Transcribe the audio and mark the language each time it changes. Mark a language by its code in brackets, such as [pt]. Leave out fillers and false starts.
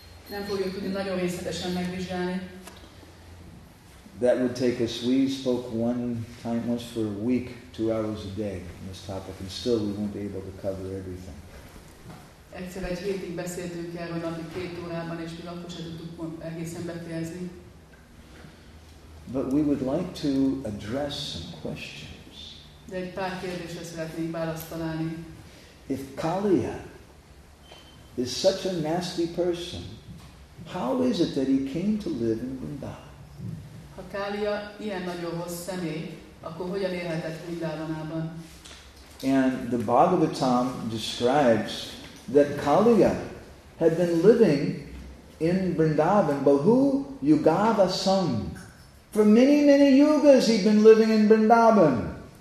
[hu] Nem fogjuk tudni nagyon részletesen megvizsgálni. [en] That would take us, we spoke one time once for a week, 2 hours a day on this topic, and still we won't be able to cover everything. [hu] Egyszer egy hétig beszéltünk el, hogy napi 2 órában, és mi akkor sem tudtuk egészen befejezni. [en] But we would like to address some questions. [hu] De egy pár kérdésre szeretnénk választ találni. [en] If Kaliya is such a nasty person, how is it that he came to live in Vrindavan? [hu] Ha Kaliya ilyen nagyon rossz személy, akkor hogyan élhetett Vrindavanában? [en] And the Bhagavatam describes that Kaliya had been living in Vrindavan, [sa] Bahu Yugava Sang. [en] For many, many yugas he'd been living in Vrindavan.